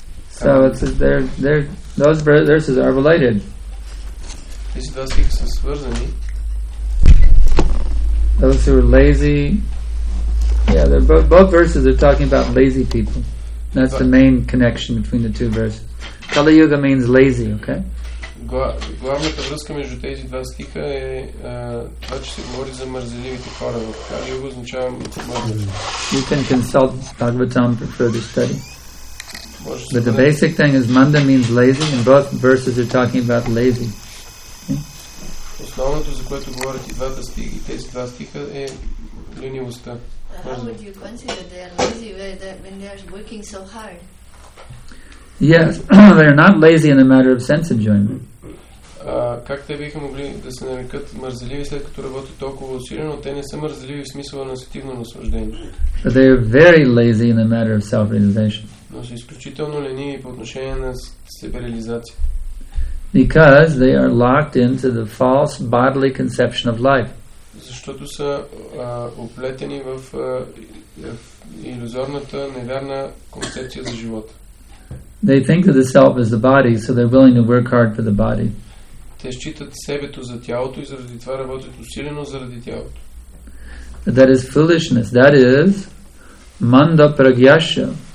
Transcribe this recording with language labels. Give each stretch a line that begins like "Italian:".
English: So it's they're those verses are related. These two things are related. Those who are lazy, yeah, they're both verses are talking about lazy people. That's the main connection between the two verses. Kali Yuga means lazy, okay?
Bulgarian: Главната връзка между тези два стиха е това, че се говори за мързеливите хора. Kali Yuga означава мързеливите.
English: You can consult Bhagavatam for further study. But the basic thing is manda means lazy, and both verses are talking about lazy.
Bulgarian: Основното, за което говорят и двата стиха, тези два стиха е ленивостта.
English: How would you consider they are lazy when they are working so hard? Yes, they are not lazy in the matter of sense enjoyment.
Bulgarian: Как те биха могли да се нарекат мързеливи, след като работят толкова усилено? Те не са мързеливи в смисъла на сетивно наслаждение.
English: But they are very lazy in the matter of self-realization.
Bulgarian: Но са изключително лениви по отношение на себе-реализация.
English: Because they are locked into the false bodily conception of life.
Bulgarian: Защото са оплетени в иллюзорната, невярна концепция за живота.
English: They think of the self as the body, so they're willing to work hard for the body.
Bulgarian: Те считат себето за тялото и заради това работят усилено заради тялото.
English: But that is foolishness. That is manda pragyasha.